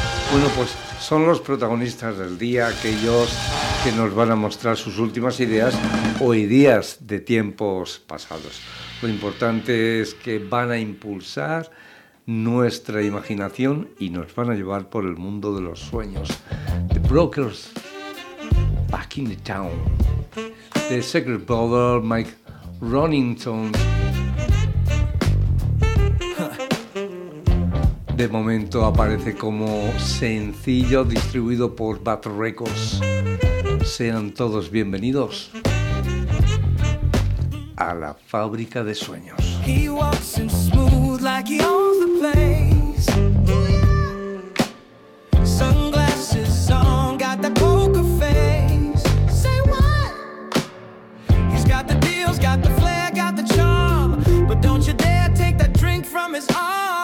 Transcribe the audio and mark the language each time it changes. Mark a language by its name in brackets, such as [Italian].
[Spanish] Bueno, pues son los protagonistas del día, aquellos que nos van a mostrar sus últimas ideas o ideas de tiempos pasados. Lo importante es que van a impulsar nuestra imaginación y nos van a llevar por el mundo de los sueños. [English] The Brokers, Back in the Town. The Secret Brother, Mike Ronington. [Spanish] De momento aparece como sencillo distribuido por Bat Records. Sean todos bienvenidos a la Fábrica de Sueños. [English] He walks in smooth like he owns the place. Sunglasses on, got the poker face. Say what? He's got the deals, got the flair, got the charm. But don't you dare take that drink from his arm.